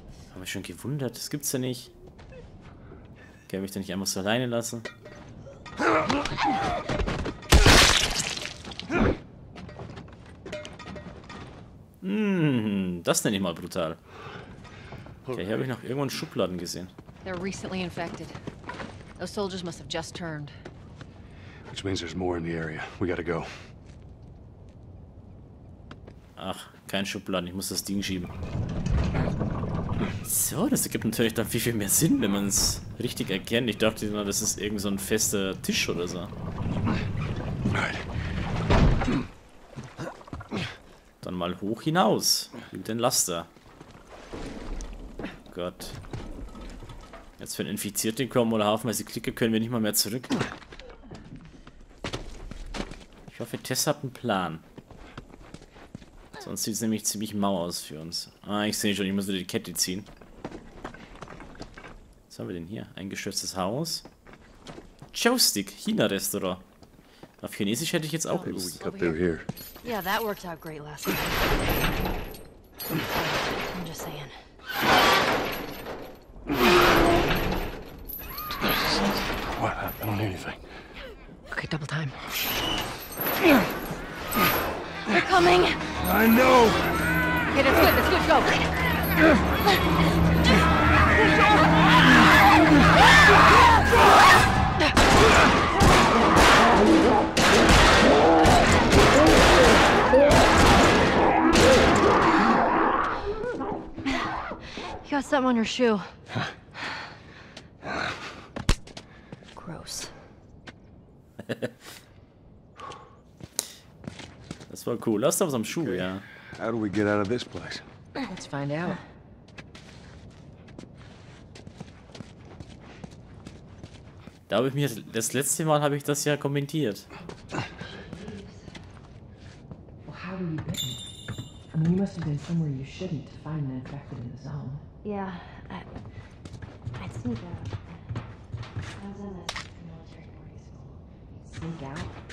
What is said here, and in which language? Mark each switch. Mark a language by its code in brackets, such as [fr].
[de] Hab mich schon gewundert, das gibt's ja nicht. Kann mich da nicht einfach so alleine lassen? Das nenne ich mal brutal. Okay, hier habe ich noch irgendwo einen Schubladen gesehen. [en] They're recently infected. Those soldiers must have just turned. Which means there's more in the area. We gotta go. [de] Ach, kein Schubladen. Ich muss das Ding schieben. So, das ergibt natürlich dann viel, viel mehr Sinn, wenn man es richtig erkennt. Ich dachte immer, das ist irgend so ein fester Tisch oder so. [en] Right. [de] Dann mal hoch hinaus. Mit den Laster. Gott. Jetzt wenn Infizierte kommen oder haufenweise Klicke, können wir nicht mal mehr zurück. Ich hoffe, Tess hat einen Plan. Sonst sieht es nämlich ziemlich mau aus für uns. Ah, ich sehe schon, ich muss wieder die Kette ziehen. Was haben wir denn hier? Eingeschütztes Haus. Joystick, China-Restaurant. Auf Chinesisch hätte ich jetzt auch Lust. [en] Yeah, that worked out great last time. I'm just saying. What happened? I don't hear anything. Okay, double time. They're coming. I know. Okay, that's good. Go. You got something on your shoe. Gross. [de] Das war cool. Lass uns am Schuh, okay. Ja. [en] How do we get out of this place? Let's find out. [de] Da habe ich mir das letzte Mal habe ich das ja kommentiert. [en] Well, how were you bitten? I mean, you must have been somewhere you shouldn't to find an infected in the zone. Yeah, I'd sneak out. I was in a military boarding school. Sneak out?